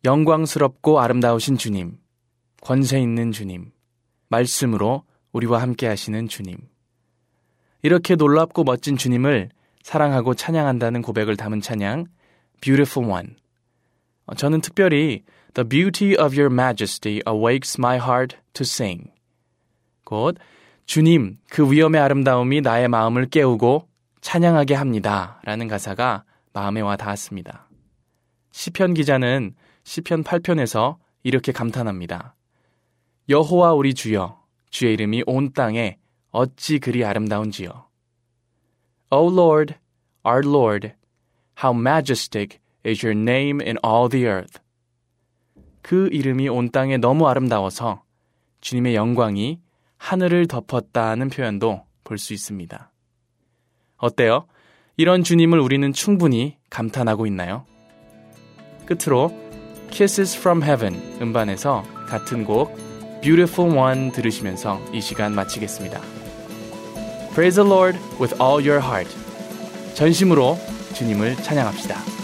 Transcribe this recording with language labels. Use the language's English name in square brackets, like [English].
[Korean] 영광스럽고 아름다우신 주님, 권세 있는 주님, 말씀으로 우리와 함께 하시는 주님. 이렇게 놀랍고 멋진 주님을 사랑하고 찬양한다는 고백을 담은 찬양, Beautiful One. 저는 특별히 [English] The beauty of your majesty awakes my heart to sing. [Korean] 곧 주님, 그 위엄의 아름다움이 나의 마음을 깨우고 찬양하게 합니다 라는 가사가 마음에 와 닿았습니다. 시편 기자는 시편 8편에서 이렇게 감탄합니다. 여호와 우리 주여, 주의 이름이 온 땅에 어찌 그리 아름다운지요. [English] O Lord, our Lord, how majestic is your name in all the earth. [Korean] 그 이름이 온 땅에 너무 아름다워서 주님의 영광이 하늘을 덮었다는 표현도 볼 수 있습니다. 어때요? 이런 주님을 우리는 충분히 감탄하고 있나요? 끝으로 Kisses from Heaven 음반에서 같은 곡 Beautiful One 들으시면서 이 시간 마치겠습니다. [English] Praise the Lord with all your heart. [Korean] 전심으로 주님을 찬양합시다.